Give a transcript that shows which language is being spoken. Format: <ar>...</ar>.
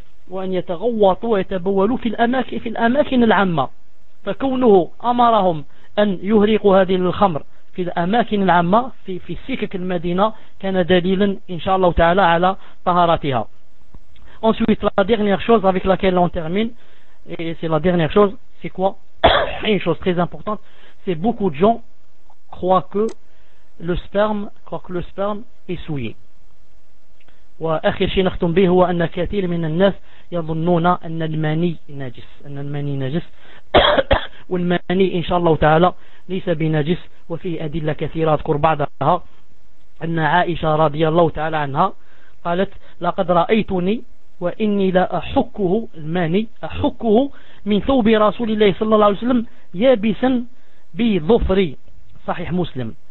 <ar>وأن يتغوطوا ويتبولوا في الأماكن العامة، فكونه أمرهم أن يهرقوا هذه الخمر في الأماكن العامة في سكك المدينة كان دليلا إن شاء الله تعالى على طهارتها.</ar> <fr>Ensuite, la dernière chose avec laquelle on termine, et c'est la dernière chose, c'est quoi? Une chose très importante, c'est beaucoup de gens croient que le sperme est souillé.</fr> <ar>وآخر شيء نختم به هو أن كثير من الناس يظنون أن المني نجس، أن المني نجس، والمني إن شاء الله تعالى ليس بنجس، وفيه أدلة كثيرة أذكر بعضها. أن عائشة رضي الله تعالى عنها قالت لقد رأيتني وإني لا أحكه الماني أحكه من ثوب رسول الله صلى الله عليه وسلم يابسا بظفري. صحيح مسلم.</ar>